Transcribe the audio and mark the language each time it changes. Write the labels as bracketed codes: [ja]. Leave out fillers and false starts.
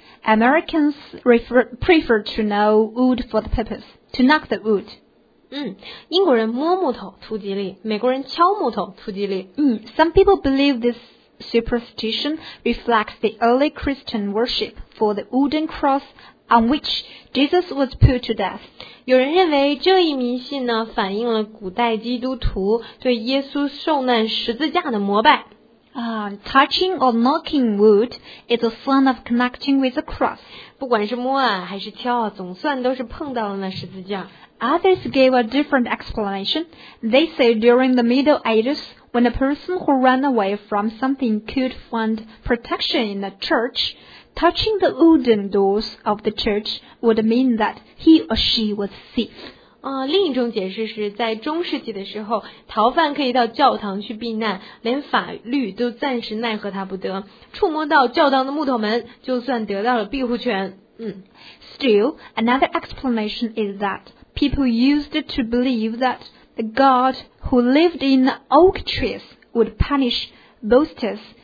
[en] Americans prefer to know wood for the purpose. To knock the wood. [zh] 嗯，英国人摸木头图吉利，美国人敲木头图吉利。 [en] 嗯 ，Some people believe this superstition reflects the early Christian worship for the wooden cross on which Jesus was put to death. [zh] 有人认为这一迷信呢，反映了古代基督徒对耶稣受难十字架的膜拜。 [en] Touching or knocking wood is a sign of connecting with the cross. [zh] 不管是摸啊还是敲啊，总算都是碰到了那十字架。 [en] Others gave a different explanation. They say during the Middle Ages, when a person who ran away from something could find protection in a church,Touching the wooden doors of the church would mean that he or she was safe. [zh] 另一种解释是在中世纪的时候，逃犯可以到教堂去避难，连法律都暂时奈何他不得。触摸到教堂的木头门，就算得到了庇护权。 [en] Still, another explanation is that people used to believe that the God who lived in oak trees would punish boasters.